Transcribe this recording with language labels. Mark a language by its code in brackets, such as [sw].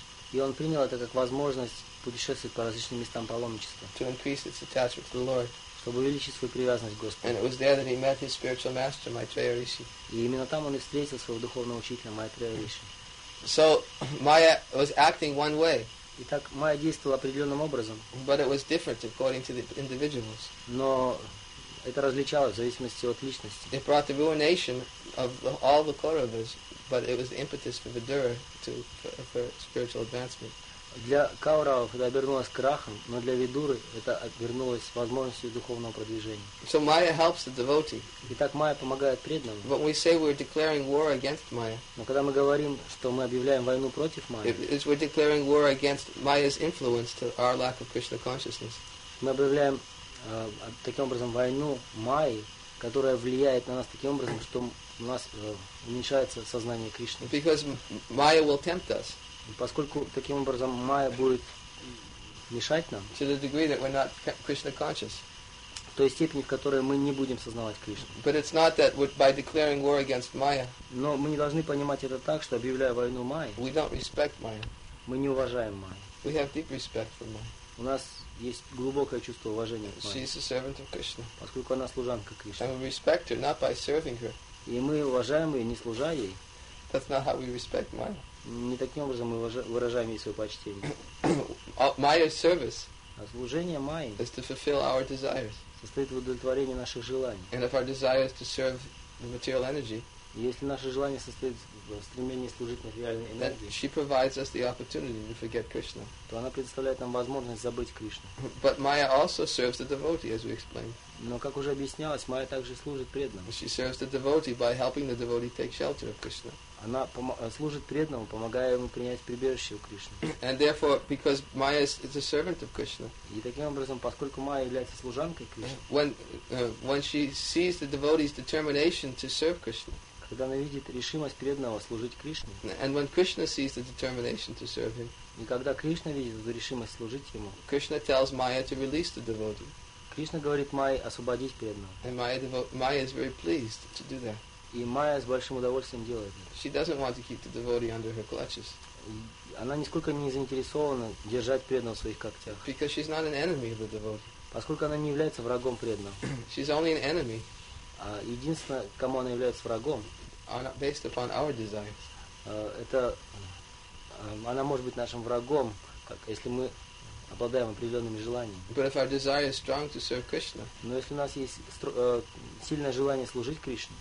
[ru] И он принял это как возможность путешествовать по различным местам паломничества. [en] To increase its attachment to the Lord. [ru] Чтобы увеличить свою привязанность к Господу. [en] And it was there that he met his spiritual master, Maitreya Rishi. [ru] И именно там он и встретил своего духовного учителя Maitreya Rishi. [en] So Maya was acting one way. [ru] Итак, Майя действовала определенным образом. [en] But it was different according to the individuals. [ru] Но это различалось в зависимости от личности. [en] It brought the ruination of all the Kauravas. But it was the impetus for Vidura for spiritual advancement. [ru] Для Кауравов это обернулось крахом, но для Видуры это обернулось возможностью духовного продвижения. [en] So Maya helps the devotee. [ru] Итак, Майя помогает преданному. [en] But we say we're declaring war against Maya. [ru] Но когда мы говорим, что мы объявляем войну против Майи, [en] it's we're declaring war against Maya's influence to our lack of Krishna consciousness. [ru] Мы объявляем таким образом войну Майи к которая влияет на нас таким образом, что у нас уменьшается сознание Кришны. [en] Because Maya will tempt us. [ru] Поскольку таким образом Майя будет мешать нам. [en] To the degree that we're not Krishna conscious. [ru] В той степени, в которой мы не будем сознавать Кришну. [en] But it's not that by declaring war against Maya. [ru] Но мы не должны понимать это так, что объявляя войну Майе. [en] We don't respect Maya. [ru] Мы не уважаем Майю. [en] We have deep respect for Maya. [ru] У нас есть глубокое чувство уважения к [en] Майе. She's a servant of Krishna. [ru] Поскольку она служанка Кришны. [en] And we respect her not by serving her. [ru] И мы уважаем ее, не служа ей. [en] That's not how we respect Maya. [ru] Не таким образом мы выражаем ей свое почтение. [en] Maya's service. [ru] А служение Майи. [en] Is to fulfill our desires. [ru] Состоит в удовлетворении наших желаний. [en] And if our desire is to serve the material energy. [ru] Если наше желание состоит в стремлении служить материальной энергии, [en] she provides us the opportunity to forget Krishna. [ru] То она предоставляет нам возможность забыть Кришну. [en] But Maya also serves the devotee, as we explained. [ru] Но как уже объяснялось, Майя также служит преданному. [en] She serves the devotee by helping the devotee take shelter of Krishna. [ru] Она служит преданному, помогая ему принять прибежище у Кришны. [en] And therefore, because Maya is a servant of Krishna. [ru] И таким образом, поскольку Майя является служанкой Кришны. [en] When she sees the devotee's determination to serve Krishna. [ru] Когда она видит решимость преданного служить Кришне. [en] And when Krishna sees the determination to serve him. [ru] И когда Кришна видит эту решимость служить ему. [en] Krishna tells Maya to release the devotee. [ru] Кришна говорит Майе освободить преданного. [en] And Maya is very pleased to do that. [ru] И Майя с большим удовольствием делает это. [en] She doesn't want to keep the devotee under her clutches. [ru] Она нисколько не заинтересована держать преданного в своих когтях. [en] Because she's not an enemy of the devotee. [ru] Поскольку она не является врагом преданного. [en] She's only an enemy. [ru] А единственное, кому она является врагом, based upon our desires. Это она может быть нашим врагом, как, если мы обладаем определенными желаниями. [en] But if our desire is strong to serve Krishna, [ru] но если у нас есть сильное желание служить Кришне,